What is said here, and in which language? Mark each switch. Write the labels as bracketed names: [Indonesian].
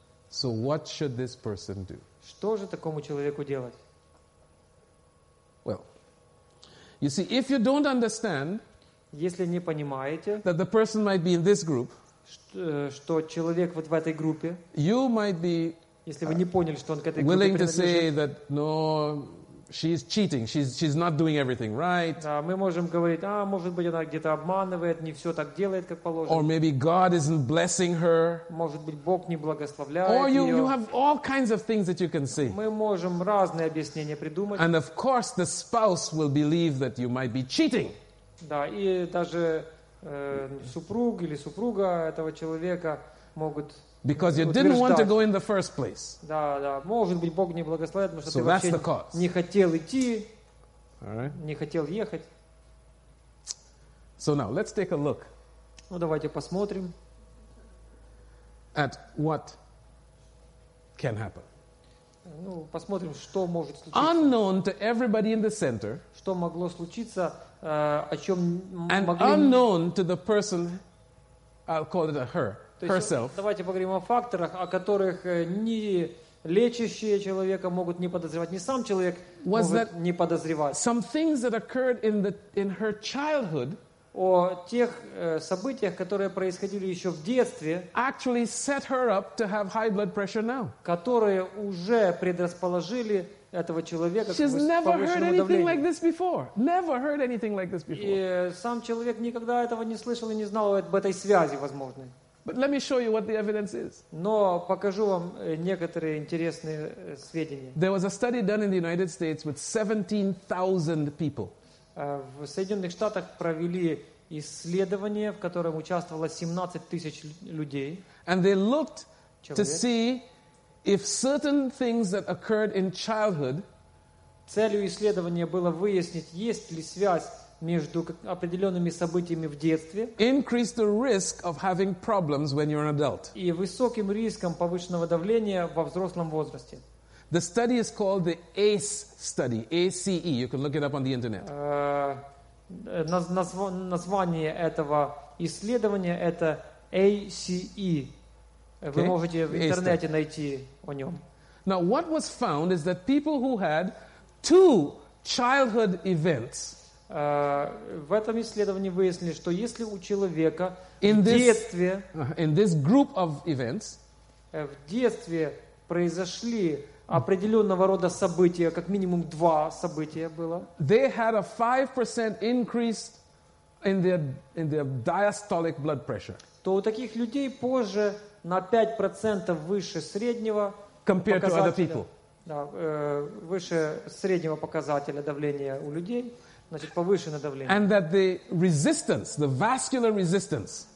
[English] So what should this person do? [Russian] Что же такому человеку делать? [English] Well, you see, if you don't understand. [Russian] Если не понимаете, [English] that the person might be in this group, [Russian] что человек вот в этой группе, [English] you might be, [Russian] если вы не поняли, что он к этой группе [English] willing [Russian] принадлежит, [English] to say that no, she's cheating, she's not doing everything right. [Russian] Да, мы можем говорить, а может быть она где-то обманывает, не все так делает, как положено. [English] Or maybe God isn't blessing her. [Russian] Может быть Бог не благословляет [English] Or you, [Russian] ее. [English] You have all kinds of things that you can say. [Russian] Мы можем разные объяснения придумать. [English] And of course the spouse will believe that you might be cheating. [Russian] Да, и даже супруг или супруга этого человека могут [English] Because you didn't want to go in the first place. [Russian] Да, да, может быть, Бог не благословит, потому что ты вообще не хотел идти, не хотел ехать. [English] So now, let's take a look. [Russian] Ну, давайте посмотрим. [English] At what can happen. [Russian] Ну, посмотрим, что может случиться. [English] Unknown to everybody in the center. [Russian] Что могло случиться, о чем [English] And [Russian] могли... [English] unknown to the person, I'll call it a her, herself. [Russian] Давайте поговорим о факторах, о которых ни лечащие человека могут не подозревать, ни сам человек может не подозревать. [English] Some things that occurred in her childhood. [Russian] О тех событиях, которые происходили еще в детстве, [English] actually set her up to have high blood pressure now. [Russian] Которые уже предрасположили этого человека к повышенному [English] She's never heard anything like this before. Never heard anything like this before. [Russian] И сам человек никогда этого не слышал и не знал об этой связи возможной. [English] But let me show you what the evidence is. [Russian] Но покажу вам некоторые интересные сведения. [English] There was a study done in the United States with 17,000 people. [Russian] В Соединенных Штатах провели исследование, в котором участвовало 17 тысяч людей. [English] And they looked to see if certain things that occurred in childhood. [Russian] Целью исследования было выяснить, есть ли связь между определенными событиями в детстве. [English] Increase the risk of having problems when you're an adult. [Russian] И высоким риском повышенного давления во взрослом возрасте. [English] The study is called the ACE study, A-C-E. You can look it up on the internet. [Russian] Название этого исследования – это A-C-E. Вы можете в интернете найти о нем. [English] Now, what was found is that people who had two childhood events. [Russian] В этом исследовании выяснили, что если у человека в детстве... [English] In this group of events. [Russian] В детстве произошли определенного рода события, как минимум два события было. [English] They had a 5% increase in their diastolic blood pressure. [Russian] То у таких людей позже на 5% выше среднего [English] compared to other people. [Russian] Да, выше среднего показателя давления у людей, значит, повышенное давление. [English] And that the resistance, the vascular resistance.